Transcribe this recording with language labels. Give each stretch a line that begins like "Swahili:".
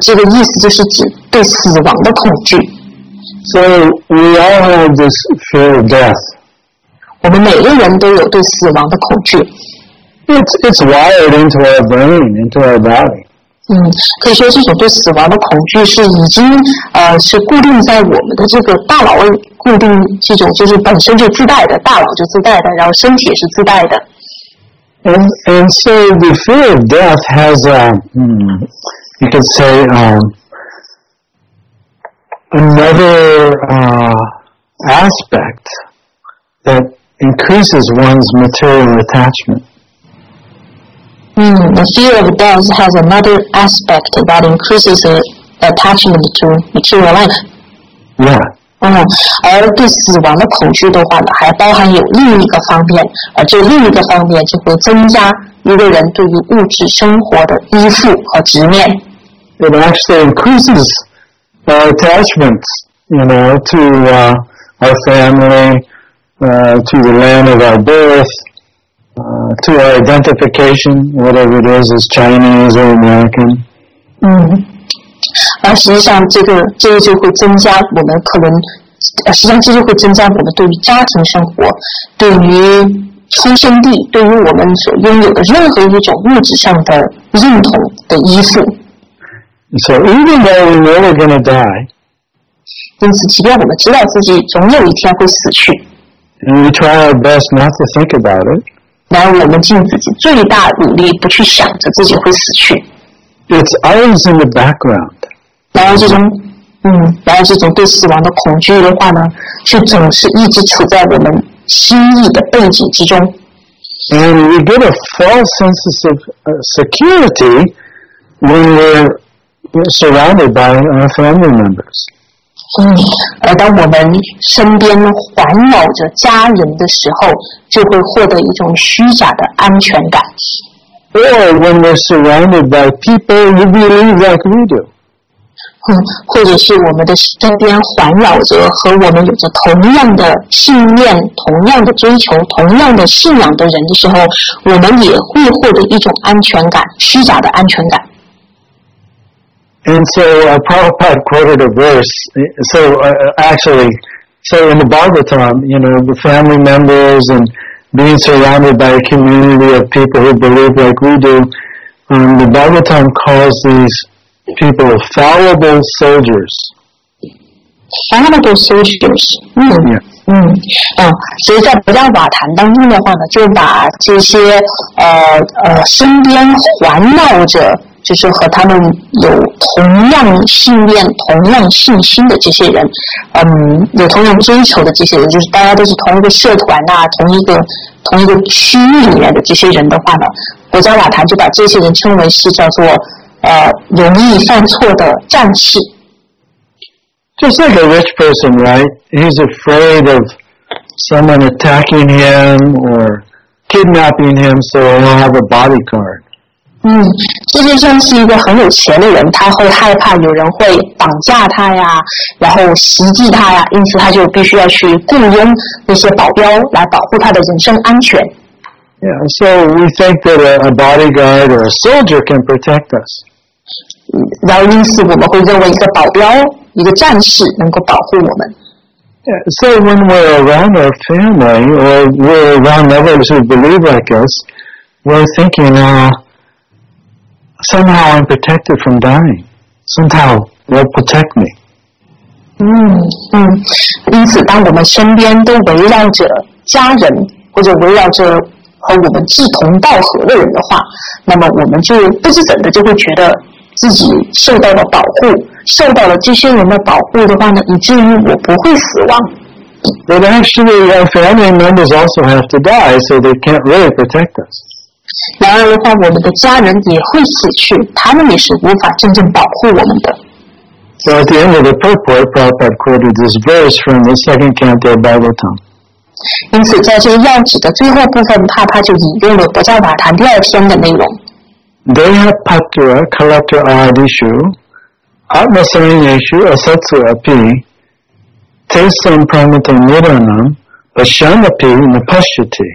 Chinese: 这个意思就是指对死亡的恐惧。
English: So, we all have this fear of death.
Chinese: 我们每个人都有对死亡的恐惧。
English: It's wired into our brain, into our body.
Chinese: 可以说这种对死亡的恐惧是已经是固定在我们的这个大脑固定这种就是本身就自带的大脑就自带的然后身体是自带的。
English: And so the fear of death has a, you could say, another aspect that increases one's material attachment. The fear of death has another aspect that increases the attachment to material life. Yeah.
Chinese: 而对死亡的恐惧的话呢，还包含有另一个方面，而这另一个方面就会增加一个人对于物质生活的依附和执念。
English: It actually increases our attachments, to our family, to the land of our birth. To our identification, whatever it is, as Chinese or American.
Chinese: 实际上这个就会增加我们可能，实际上这就会增加我们对于家庭生活，对于出生地，对于我们所拥有的任何一种物质上的认同的依附。
English: So even though we know we're going to die,
Chinese: 因此即便我们知道自己总有一天会死去
English: ，and we try our best not to think about it.
Chinese: 然后我们尽自己最大努力不去想着自己会死去。
English: It's always in the background.
Chinese: 然后这种对死亡的恐惧的话呢，却总是一直处在我们心意的背景之中。
English: And we get a false sense of security when we're surrounded by our family members.
Chinese: 而当我们身边环绕着家人的时候，就会获得一种虚假的安全感。
English: Or when we're surrounded by people who believe like we do.
Chinese: 或者是我们的身边环绕着和我们有着同样的信念、同样的追求、同样的信仰的人的时候，我们也会获得一种安全感，虚假的安全感。
English: And so Prabhupada quoted a verse, so actually, so in the Bhagavatam, the family members and being surrounded by a community of people who believe like we do, the Bhagavatam calls these people fallible soldiers. Fallible soldiers. Yeah.
Chinese: 所以在不在瓦坛当中的话呢，就把这些身边环绕着就是和他们有同样信念、同样信心的这些人，有同样追求的这些人，就是大家都是同一个社团啊，同一个区域里面的这些人的话呢，国家瓦坛就把这些人称为是叫做容易犯错的战士。
English: Just like a rich person, right? He's afraid of someone attacking him or kidnapping him, so he'll have a bodyguard.
Chinese: 这就像是一个很有钱的人，他会害怕有人会绑架他呀，然后袭击他呀，因此他就必须要去雇佣那些保镖来保护他的人身安全。
English: Yeah, so we think that a bodyguard or a soldier can protect us.
Chinese: 然后因此我们会认为一个保镖、一个战士能够保护我们。
English: Yeah, so when we're around our family or we're around others who believe like us, we're thinking, somehow I'm protected from dying. Somehow they'll protect me.
Chinese: 因此当我们身边都围绕着家人或者围绕着和我们志同道合的人的话，那么我们就不知怎的就会觉得自己受到了保护，受到了这些人的保护的话呢，以至于我不会死亡。
English: But actually, our family members also have to die, so they can't really protect us.
Chinese: 然而的话，我们的家人也会死去，他们也是无法真正保护我们的。
English: So at the end of the purport, Prabhupada quoted this verse from the second canto of Bhagavatam.
Chinese: 因此，在这要旨的最后部分，帕帕就引用了《不教法坛》第二篇的内容。
Sanskrit: Deha patra kalatra adishu atma sanyeshu asatsu api tesam pramitam nidhanam vashyamapi napashyati.